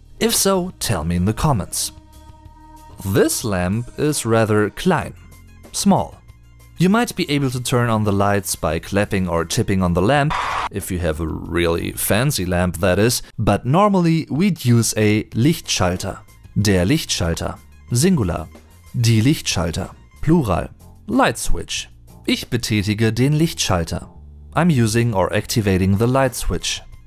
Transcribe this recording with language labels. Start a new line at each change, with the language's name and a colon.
English: If so, tell me in the comments. This lamp is rather klein, small. You might be able to turn on the lights by clapping or tipping on the lamp, if you have a really fancy lamp, that is, but normally we'd use a Lichtschalter. Der Lichtschalter, singular. Die Lichtschalter, plural. Light switch.
German: Ich betätige den Lichtschalter.
English: I'm using or activating the light switch.